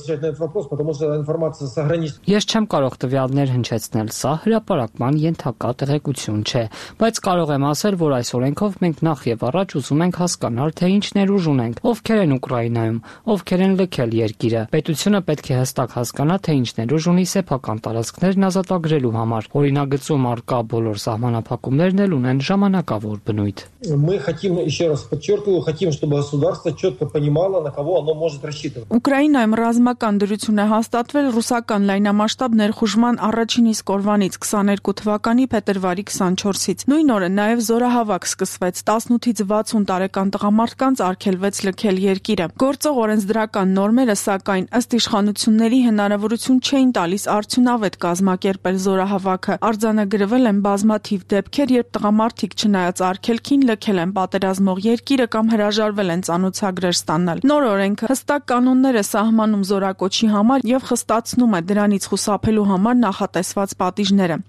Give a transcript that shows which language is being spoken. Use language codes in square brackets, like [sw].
[hy] Ես չեմ կարող տվյալներ հնչեցնել, սա հրապարակման ենթակա տեղեկություն չէ, բայց կարող եմ ասել, որ այս օրենքով մենք նախ եւ առաջ ուզում ենք հասկանալ, թե ինչ ներուժ ունենք, ովքեր են Ուկրաինայում, ովքեր են լքել երկիրը։ Պետությունը պետք է հստակ հասկանա, թե ինչ ներուժ ունի սեփական տարածքներն ազատագրելու համար։ Օրինագծում առկա բոլոր սահմանափակումներն էլ ունեն ժամանակավոր բնույթ։ [ru] Мы хотим ещё раз подчёркиваю, хотим, чтобы государство чётко понимало, на кого оно может рассчитывать. [hy] Ուկրաինայում ռազմական դրություն է հաստատվել ռուսական լայնամասշտաբ ներխուժման առաջին իսկ օրվանից 22 թվականի փետրվարի 24-ից։ Նույն օրը նաև զորահավաք սկսվեց, 18-ից 60 տարեկան տղամարդկանց արգելվեց լքել երկիրը։ Գործող օրենսդրական նորմերը, սակայն, ըստ իշխանությունների հնարավորություն չէին տալիս արդյունավետ կազմակերպել զորահավաքը։ Արձանագրվել են բազմաթիվ դեպքեր, երբ տղամարդիկ չնայած արգելքին լքել են պատերազմող երկիրը կամ հրաժարվել են ծանոթագրեր ստանալ։ Նոր օրենքը հստակ կանոններ է սահմանում զորակոչի համար եւ խստացնում է դրանից խուսափելու համար նախատեսված պատիժները։